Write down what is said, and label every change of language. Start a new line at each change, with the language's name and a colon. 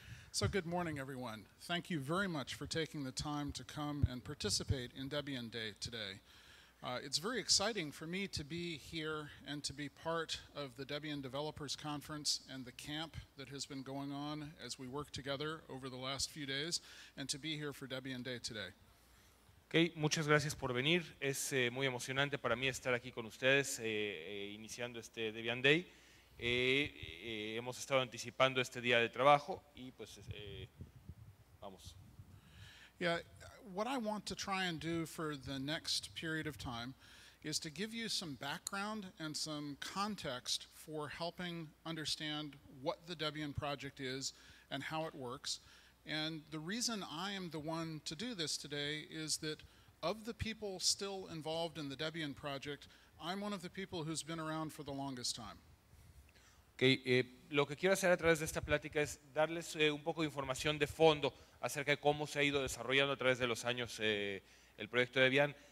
English: So good morning, everyone. Thank you very much for taking the time to come and participate in Debian Day today. It's very exciting for me to be here and to be part of the Debian Developers Conference and the camp that has been going on as we work together over the last few days, and to be here for Debian Day today.
Spanish: Okay, muchas gracias por venir. Es muy emocionante para mí estar aquí con ustedes iniciando este Debian Day. Hemos estado anticipando este día de trabajo y pues vamos.
English: Yeah, what I want to try and do for the next period of time is to give you some background and some context for helping understand what the Debian project is and how it works. And the reason I am the one to do this today is that of the people still involved in the Debian project, I'm one of the people who's been around for the longest time.
Spanish: Okay, lo que quiero hacer a través de esta plática es darles un poco de información de fondo acerca de cómo se ha ido desarrollando a través de los años el proyecto de Debian.